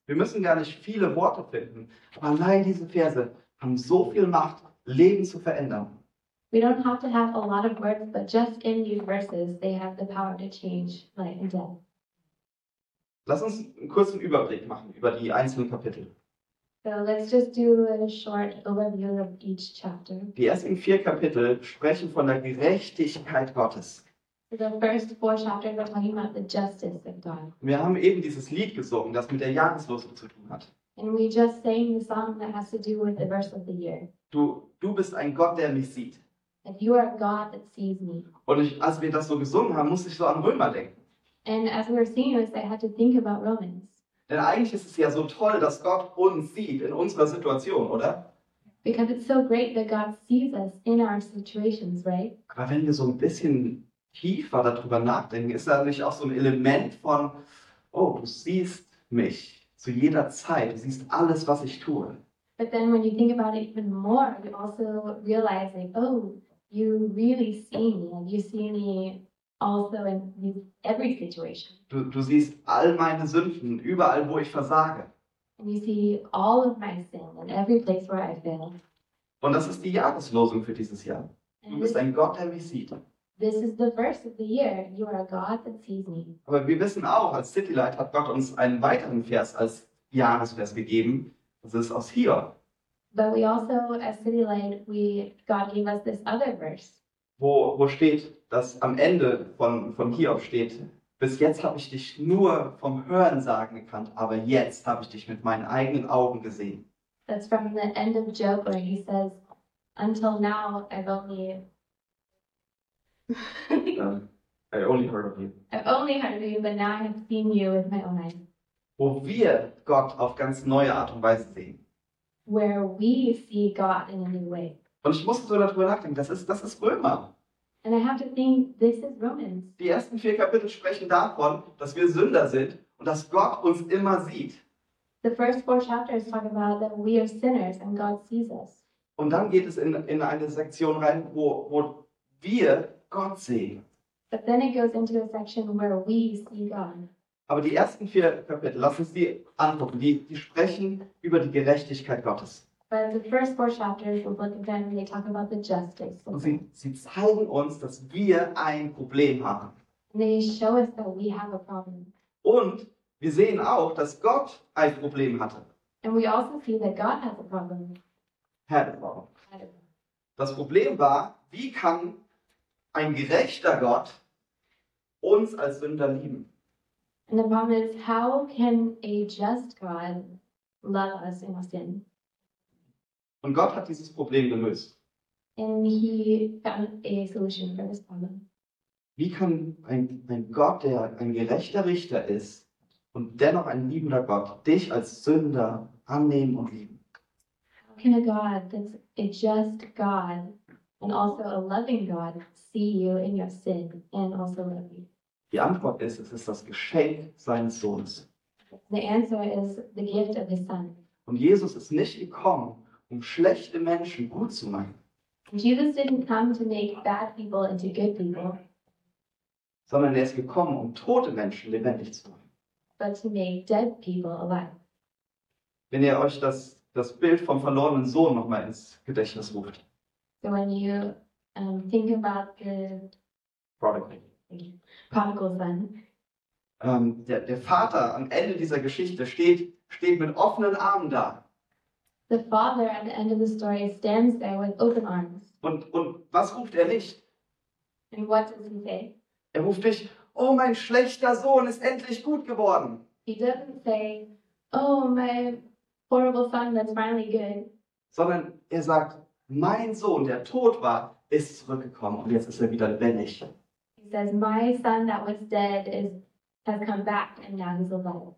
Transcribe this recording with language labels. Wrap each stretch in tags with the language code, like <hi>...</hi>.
<de>Wir müssen gar nicht viele Worte finden, aber allein diese Verse haben so viel Macht, Leben zu verändern.</de> <en>We don't have to have a lot of words, but just in these verses, they have the power to change life and death.</en> <de>Lass uns einen kurzen Überblick machen über die einzelnen Kapitel.</de> <en>So let's just do a short overview of each chapter.</en> <de>Die ersten vier Kapitel sprechen von der Gerechtigkeit Gottes.</de> <en>The first four chapters are talking about the justice of God.</en> <de>Wir haben eben dieses Lied gesungen, das mit der Jahreslosung zu tun hat.</de> <en>And we just sang the song that has to do with the verse of the year.</en> <de>Du bist ein Gott, der mich sieht.</de> <en>And you are a God that sees me.</en> <de>Und als wir das so gesungen haben, musste ich so an Römer denken.</de> <en>And as we were singing this, I had to think about Romans.</en> <de>Denn eigentlich ist es ja so toll, dass Gott uns sieht in unserer Situation, oder?</de> <en>Because it's so great that God sees us in our situations, right?</en> <de>Aber wenn wir so ein bisschen tiefer darüber nachdenken, ist da nicht auch so ein Element von, oh, du siehst mich zu jeder Zeit, du siehst alles, was ich tue.</de> <en>But then when you think about it even more, you also realize, like, oh, you really see me, and you see me also in every situation.</en> <de>Du siehst all meine Sünden, überall, wo ich versage.</de> <en>And you see all of my sin in every place where I fail.</en> <de>Und das ist die Jahreslosung für dieses Jahr. Du bist ein Gott, der mich sieht.</de> <en>This is the verse of the year. You are a God that sees me.</en> <de>Aber wir wissen auch, als City Light hat Gott uns einen weiteren Vers als Jahresvers gegeben. Das ist aus Hiob.</de> <en>But we also, as City Light, God gave us this other verse.</en> <de>Wo steht, dass am Ende von Hiob steht, bis jetzt habe ich dich nur vom Hören sagen gekannt, aber jetzt habe ich dich mit meinen eigenen Augen gesehen.</de> <en>That's from the end of Job, where he says, until now I've only... I only heard of you, but now I have seen you with my own eyes.</en> <de>Wo wir Gott auf ganz neue Art und Weise sehen.</de> <en>Where we see God in a new way.</en> <de>Und ich musste so darüber nachdenken, das ist Römer.</de> <en>And I have to think, this is Romans.</en> <de>Die ersten vier Kapitel sprechen davon, dass wir Sünder sind und dass Gott uns immer sieht.</de> <en>The first four chapters talk about that we are sinners and God sees us.</en> <de>Und dann geht es in eine Sektion rein, wo wir Gott sehen.</de> <en>But then it goes into a section where we see God.</en> <de>Aber die ersten vier Kapitel, lass uns die angucken, die sprechen über die Gerechtigkeit Gottes.</de> <en>But the first four chapters of the book of Genesis, they talk about the justice.</en> <de>Und sie zeigen uns, dass wir ein Problem haben.</de> <en>And they show us that we have a problem.</en> <de>Und wir sehen auch, dass Gott ein Problem hatte.</de> <en>And we also see that God has a problem. Had a problem.</en> <de>Das Problem war, wie kann ein gerechter Gott uns als Sünder lieben?</de> <en>And the problem is, how can a just God love us in our sin?</en> <de>Und Gott hat dieses Problem gelöst.</de> <en>And he found a solution for this problem.</en> <de>Wie kann ein Gott, der ein gerechter Richter ist und dennoch ein liebender Gott, dich als Sünder annehmen und lieben?</de> <en>How can a God that's a just God and also a loving God see you in your sin and also love you?</en> <de>Die Antwort ist, es ist das Geschenk seines Sohnes.</de> <en>The answer is the gift of his son.</en> <de>Und Jesus ist nicht gekommen, um schlechte Menschen gut zu machen.</de> <en>Jesus didn't come to make bad people into good people.</en> <de>Sondern er ist gekommen, um tote Menschen lebendig zu machen.</de> <en>But to make dead people alive.</en> <de>Wenn ihr euch das Bild vom verlorenen Sohn nochmal ins Gedächtnis ruft.</de> <en>So when you think about the prodigal son.</en> <de>Der Vater am Ende dieser Geschichte steht mit offenen Armen da.</de> <en>The father at the end of the story stands there with open arms.</en> <de>Und was ruft er nicht?</de> <en>And what does he say?</en> <de>Er ruft nicht, oh, mein schlechter Sohn ist endlich gut geworden.</de> <en>He doesn't say, oh, my horrible son, that's finally good.</en> <de>Sondern er sagt, mein Sohn, der tot war, ist zurückgekommen und jetzt ist er wieder lebendig.</de> <en>He says, my son that was dead has come back and now he's alive.</en>